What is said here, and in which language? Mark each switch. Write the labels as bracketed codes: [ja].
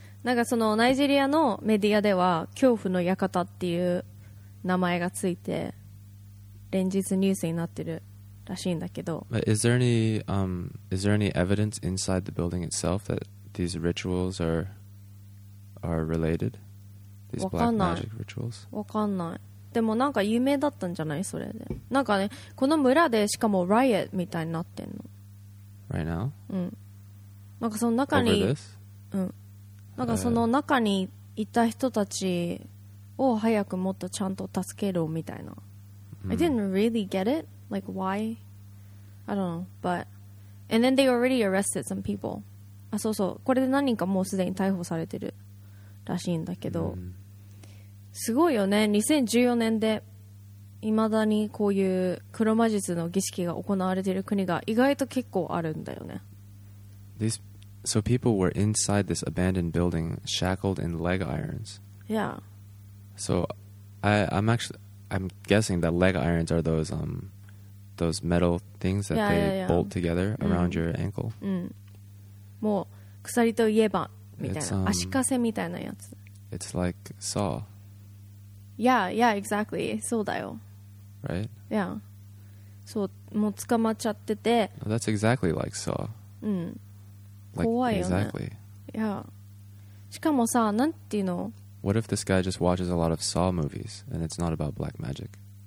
[ja] なんかそのナイジェリアのメディアでは恐怖の館っていう名前がついて連日ニュースになってるらしいんだけど。 [en] But is there any evidence inside the building itself that these rituals are related? These black magic rituals? [ja] わかんない。でもなんか有名だったんじゃない、それで。なんかね、この村でしかも riot みたいになってんの。 [en] Right now? [ja] うん。なんかその中に、なんかその中にいた人たちを早くもっとちゃんと助けろみたいな。 [en] I didn't really get it. Like why? I don't know. But and then they already arrested some people. [ja] あ、そうそう。これで何人かもうすでに逮捕されてるらしいんだけど。すごいよね。 2014年で未だにこういう黒魔術の儀式が行われている国が意外と結構あるんだよね。 [en] So people were inside this abandoned building shackled in leg irons. Yeah. So I'm guessing that leg irons are those metal things that bolt together around your ankle. [ja] もう鎖といえばみたいな、足かせみたいなやつ。 [en] It's like saw. Yeah, yeah, exactly. [ja] そうだよ。 [en] Right? Yeah. [ja] そう、もう捕まっちゃってて。 [en] Oh, that's exactly like saw. [ja] うん。Like, 怖いよね。 [en] Exactly. Yeah. [ja] しかもさ、なんていうの? [en] What if this guy just watches a lot of saw movies and it's not about black magic?